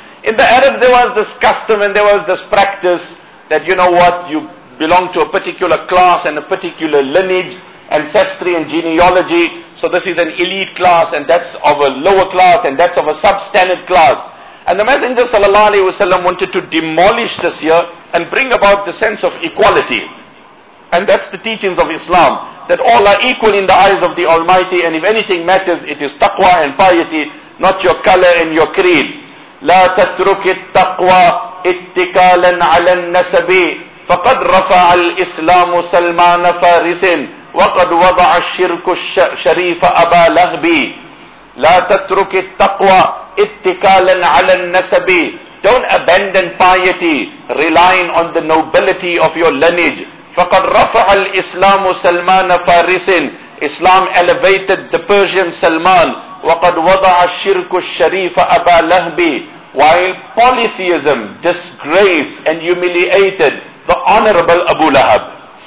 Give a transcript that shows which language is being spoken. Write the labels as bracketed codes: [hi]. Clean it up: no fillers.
[en] In the Arab there was this custom and there was this practice that, you know what, you belong to a particular class and a particular lineage, ancestry and genealogy, so this is an elite class and that's of a lower class and that's of a substandard class. And the Messenger sallallahu alaihi wasallam wanted to demolish this here and bring about the sense of equality. And that's the teachings of Islam, that all are equal in the eyes of the Almighty, and if anything matters, it is taqwa and piety, not your color and your creed. [ar] لا تترك التقوى اتكالا على النسب فقد رفع الإسلام سلمان فارس وقد وضع الشرك الشريف أبا لهب. لا تترك التقوى اتكالا على النسب [en] Don't abandon piety, relying on the nobility of your lineage. [ar] فَقَدْ رَفَعَ الْإِسْلَامُ سَلْمَانَ فَارِسٍ [en] Islam elevated the Persian Salman. [ar] وَقَدْ وَضَعَ الشِّرْكُ الشَّرِيفَ أَبَا لَهْبِ [en] While polytheism disgraced and humiliated the honorable Abu Lahab.